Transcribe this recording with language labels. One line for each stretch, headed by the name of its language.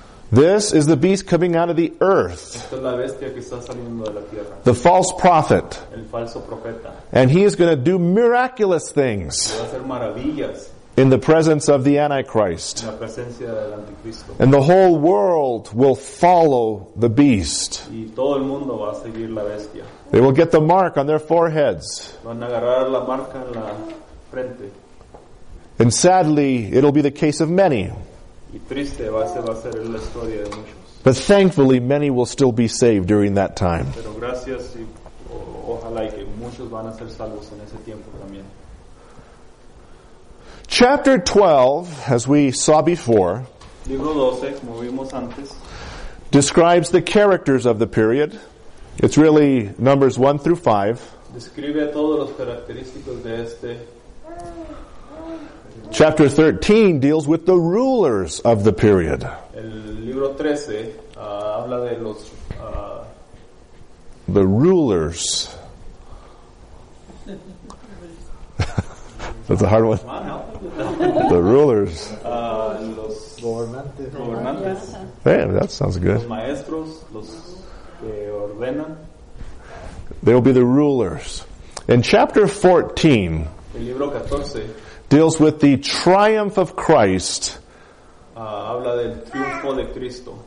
English: This is the beast coming out of the earth.
Spanish: Esta es la bestia que está saliendo de la tierra.
English: The false prophet.
Spanish: El falso profeta.
English: And he is going to do miraculous things.
Spanish: Va a hacer maravillas.
English: In the presence of the Antichrist.
Spanish: En la presencia del Anticristo.
English: And the whole world will follow the beast.
Spanish: Y todo el mundo va a seguir la bestia.
English: They will get the mark on their foreheads.
Spanish: Van a agarrar la marca en la frente.
English: And sadly, it'll be the case of many.
Spanish: Y triste va a ser la historia de muchos.
English: But thankfully, many will still be saved during that time.
Spanish: Pero gracias y ojalá y que muchos van a ser salvos en ese tiempo también.
English: Chapter 12, as we saw before,
Spanish: Libro 12, como vimos antes,
English: describes the characters of the period. It's really numbers 1 through 5.
Spanish: Describe a todos los característicos de este.
English: Chapter 13 deals with the rulers of the period.
Spanish: El libro 13 habla de los
English: the rulers. That's a hard one. The rulers.
Spanish: Los gobernantes. Gobernantes.
English: Hey, that sounds good.
Spanish: Los maestros, los que ordenan.
English: They will be the rulers. In chapter 14,
Spanish: el libro 14
English: deals with the triumph of Christ
Spanish: habla del triunfo de Cristo